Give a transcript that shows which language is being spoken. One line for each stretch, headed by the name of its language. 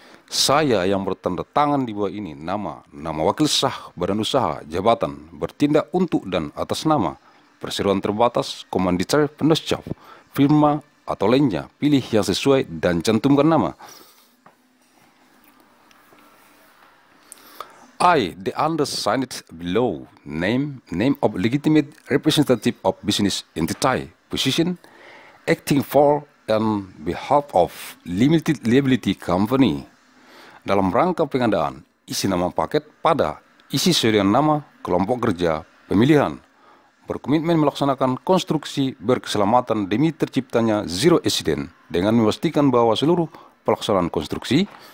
Indonesian: Saya yang bertanda tangan di bawah ini, nama wakil sah badan usaha, jabatan, bertindak untuk dan atas nama, perseroan terbatas, komanditer, penasjab, firma atau lainnya, pilih yang sesuai dan cantumkan nama.
English: I, the undersigned below, name of legitimate representative of business entity, position, acting for and behalf of limited liability company.
Indonesian: Dalam rangka pengadaan, isi nama paket pada isi sesuai dengan nama kelompok kerja pemilihan. Berkomitmen melaksanakan konstruksi berkeselamatan demi terciptanya zero accident dengan memastikan bahwa seluruh pelaksanaan konstruksi.